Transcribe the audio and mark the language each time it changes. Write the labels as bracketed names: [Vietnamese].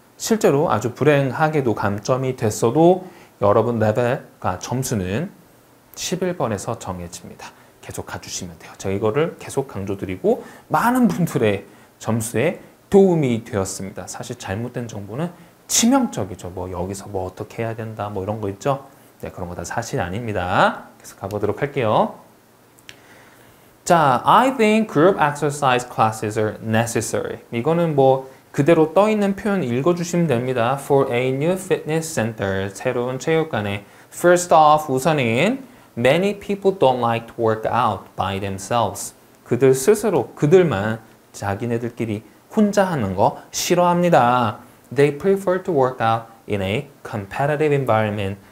[Korean] 실제로 아주 불행하게도 감점이 됐어도 여러분 레벨과 점수는 11번에서 정해집니다. 계속 가주시면 돼요. 제가 이거를 계속 강조드리고 많은 분들의 점수에 도움이 되었습니다. 사실 잘못된 정보는 치명적이죠. 뭐 여기서 뭐 어떻게 해야 된다 뭐 이런 거 있죠. 네, 그런 거 다 사실 아닙니다. 계속 가보도록 할게요. [English] 자, I think group exercise classes are necessary. [Korean] 이거는 뭐 그대로 떠 있는 표현 읽어주시면 됩니다. [English] For a new fitness center, [Korean] 새로운 체육관에 [English] First off, [Korean] 우선은 [English] Many people don't like to work out by themselves. [Korean] 그들 스스로, 그들만 자기네들끼리 혼자 하는 거 싫어합니다. [English] They prefer to work out in a competitive environment.